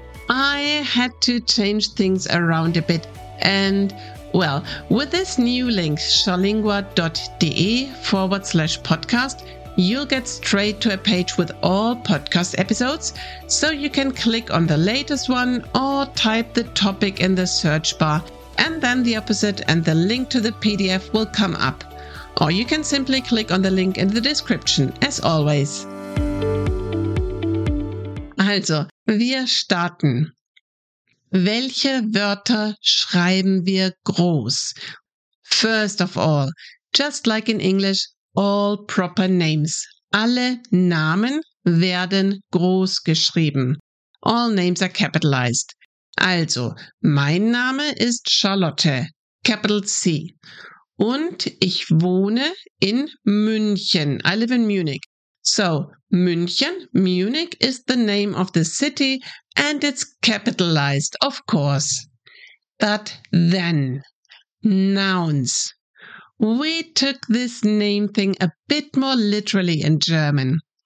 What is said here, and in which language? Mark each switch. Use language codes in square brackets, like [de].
[en] I had to change things around a bit. And, well, with this new link, charlingua.de/podcast, you'll get straight to a page with all podcast episodes, so you can click on the latest one or type the topic in the search bar, and then the opposite and the link to the PDF will come up. Or you can simply click on the link in the description, as always. [de] Also, wir starten. Welche Wörter schreiben wir groß? [en] First of all, just like in English, all proper names. [de] Alle Namen werden groß geschrieben. [en] All names are capitalized. [de] Also, mein Name ist Charlotte, [en] capital C. [de] Und ich wohne in München. [en] I live in Munich. So, München, Munich is the name of the city and it's capitalized, of course. But then, nouns. We took this name thing a bit more literally in German.